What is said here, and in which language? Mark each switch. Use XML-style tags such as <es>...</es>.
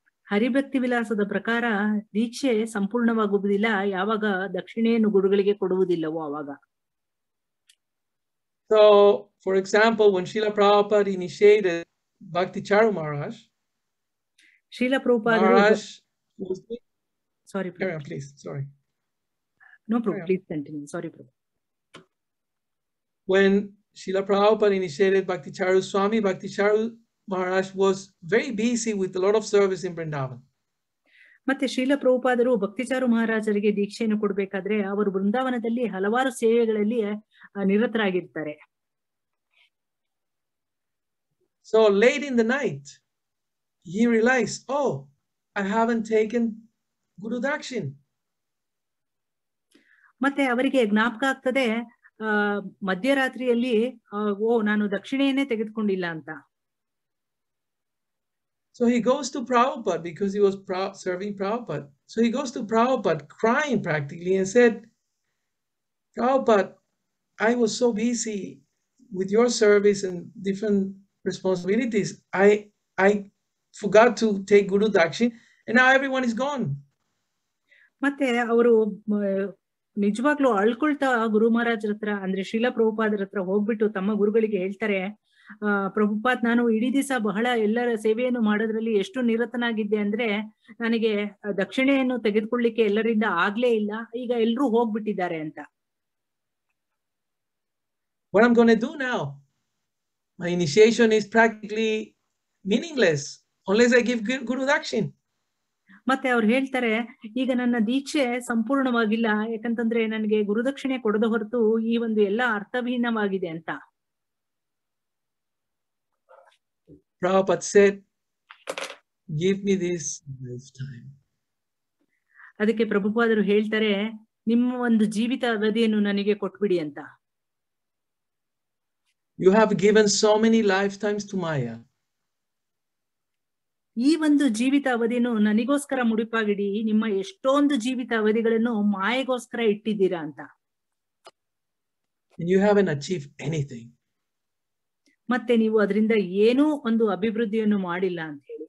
<kn>ಹರಿಭಕ್ತಿ ವಿಲಾಸದ ಪ್ರಕಾರ ದೀಕ್ಷೆ ಸಂಪೂರ್ಣವಾಗುವುದಿಲ್ಲ ಯಾವಾಗ ದಕ್ಷಿಣೆಯನ್ನು ಗುರುಗಳಿಗೆ ಕೊಡುವುದಿಲ್ಲವೋ ಆವಾಗ</kn> <en>So, for example, when Srila Prabhupada initiated Bhakti Charu Maharaj, Srila Prabhupada Maharaj was the... Sorry, Prabhu. Carry on, please. Sorry. No problem. Please continue. Sorry, Prabhu. When Srila Prabhupada initiated Bhakti Charu Swami, Bhakti Charu Maharaj was very busy with a lot of service in Vrindavan.</en> <kn>ಮತ್ತೆ ಶ್ರೀಲ ಪ್ರಭುಪಾದರು ಭಕ್ತಿಚಾರು ಮಹಾರಾಜರಿಗೆ ದೀಕ್ಷೆಯನ್ನು ಕೊಡಬೇಕಾದ್ರೆ ಅವರು ಬೃಂದಾವನದಲ್ಲಿ ಹಲವಾರು ಸೇವೆಗಳಲ್ಲಿ ನಿರತರಾಗಿರ್ತಾರೆ</kn> <en>So late in the night, he realized, oh, I haven't taken Guru Dakshin.</en> <kn>ಮತ್ತೆ ಅವರಿಗೆ ಜ್ಞಾಪಕ ಆಗ್ತದೆ ಮಧ್ಯರಾತ್ರಿಯಲ್ಲಿ ಓ ನಾನು ದಕ್ಷಿಣೆಯನ್ನೇ ತೆಗೆದುಕೊಂಡಿಲ್ಲ ಅಂತ</kn> <en>So he goes to Prabhupada because he was serving Prabhupada. So he goes to Prabhupada crying practically and said, Prabhupada, I was so busy with your service and different responsibilities. I forgot to take Guru Dakshin and now everyone is gone.</en> <kn>ಮತ್ತೆ ಅವರು ನಿಜವಾಗ್ಲೂ ಅಳ್ಕೊಳ್ತಾ ಗುರು ಮಹಾರಾಜರ ಹತ್ರ ಅಂದ್ರೆ ಶ್ರೀಲ ಪ್ರಭುಪಾದರ ಹತ್ರ ಹೋಗ್ಬಿಟ್ಟು ತಮ್ಮ ಗುರುಗಳಿಗೆ ಹೇಳ್ತಾರೆ ಪ್ರಭುಪಾದ್ ನಾನು ಇಡೀ ದಿವಸ ಬಹಳ ಎಲ್ಲರ ಸೇವೆಯನ್ನು ಮಾಡೋದ್ರಲ್ಲಿ ಎಷ್ಟು ನಿರತನಾಗಿದ್ದೆ ಅಂದ್ರೆ ನನಗೆ ದಕ್ಷಿಣೆಯನ್ನು ತೆಗೆದುಕೊಳ್ಳಿಕ್ಕೆ ಎಲ್ಲರಿಂದ ಆಗ್ಲೇ ಇಲ್ಲ ಈಗ ಎಲ್ಲರೂ ಹೋಗ್ಬಿಟ್ಟಿದ್ದಾರೆ ಅಂತ</kn> <en>What I'm going to do now? My initiation is practically meaningless unless I give guru dakshin.</en> <kn>ಮತ್ತೆ ಅವ್ರು ಹೇಳ್ತಾರೆ, ಈಗ ನನ್ನ ದೀಕ್ಷೆ ಸಂಪೂರ್ಣವಾಗಿಲ್ಲ ಯಾಕಂತಂದ್ರೆ ನನಗೆ ಗುರುದಕ್ಷಿಣೆ ಕೊಡದ ಹೊರತು ಈ ಒಂದು ಎಲ್ಲ ಅರ್ಥಭಿನ್ನವಾಗಿದೆ ಅಂತ.</kn> <en>Prabhupada said, give me this time.</en> <kn>ಅದಕ್ಕೆ ಪ್ರಭುಪಾದರು ಹೇಳ್ತಾರೆ, ನಿಮ್ಮ ಒಂದು ಜೀವಿತ ಅವಧಿಯನ್ನು ನನಗೆ ಕೊಟ್ಬಿಡಿ ಅಂತ.</kn> <en>You have given so many lifetimes to Maya.</en> <kn>ಈ ಒಂದು ಜೀವಿತ ಅವಧಿಯನ್ನು ನನಗೋಸ್ಕರ ಮುಡಿಪಾಗಿಡಿ, ನಿಮ್ಮ ಎಷ್ಟೊಂದು ಜೀವಿತ ಅವಧಿಗಳನ್ನು ಮಾಯೆಗೋಸ್ಕರ ಇಟ್ಟಿದ್ದೀರಾ ಅಂತ.</kn> <en>You haven't achieved anything.</en> <kn>ಮತ್ತೆ ನೀವು ಅದರಿಂದ ಏನೂ ಒಂದು ಅಭಿವೃದ್ಧಿಯನ್ನು ಮಾಡಿಲ್ಲ ಅಂತ</kn>